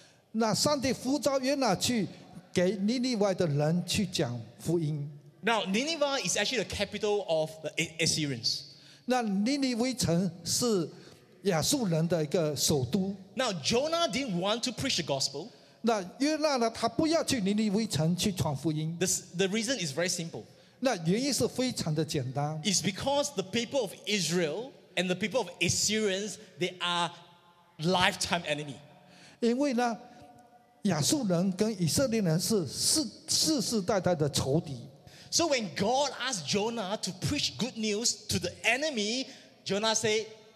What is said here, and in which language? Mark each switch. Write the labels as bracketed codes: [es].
[zh] 那上帝呼召约拿去给尼尼外的人去讲福音。 [en] Now Nineveh is actually the capital of the Assyrians. [zh] 那尼尼微城是。亚述人的一个首都。 [en] Now Jonah didn't want to preach the gospel. [zh] 那约拿呢？他不要去尼尼微城去传福音。 [en] The reason is very simple. [zh] 那原因是非常的简单。 [en] It's because the people of Israel and the people of Assyrians they are lifetime enemy. [zh] 因为呢，亚述人跟以色列人是世世代代的仇敌。 [en] So when God asked Jonah to preach good news to the enemy, Jonah said.